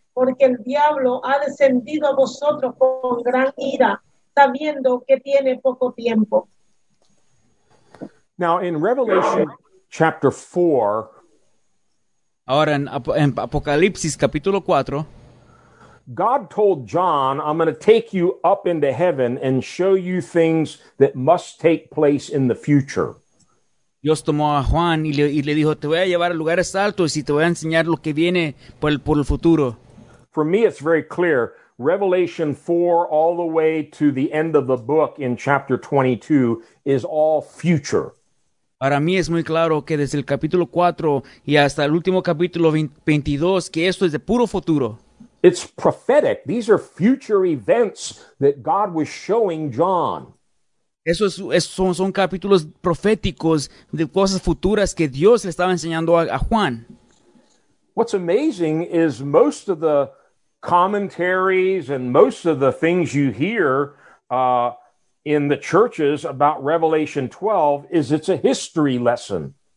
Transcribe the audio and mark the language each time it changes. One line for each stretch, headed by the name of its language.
Spanish: Porque el diablo ha descendido a vosotros con gran ira, sabiendo que tiene poco tiempo.
English: Now, in Revelation chapter 4,
Spanish: ahora en Apocalipsis capítulo 4,
English: God told John, I'm going to take you up into heaven and show you things that must take place in the future.
Spanish: Dios tomó a Juan y le dijo, te voy a llevar a lugares altos y te voy a enseñar lo que viene por el futuro.
English: For me, it's very clear. Revelation 4 all the way to the end of the book in chapter 22 is all future.
Spanish: Para mí es muy claro que desde el capítulo 4 y hasta el último capítulo 22, que esto es de puro futuro.
English: It's prophetic. These are future events that God was showing John.
Spanish: Son capítulos proféticos de cosas futuras que Dios le estaba enseñando a Juan.
English: What's amazing is most of the commentaries and most of the things you hear in the churches about Revelation 12 is it's a history lesson.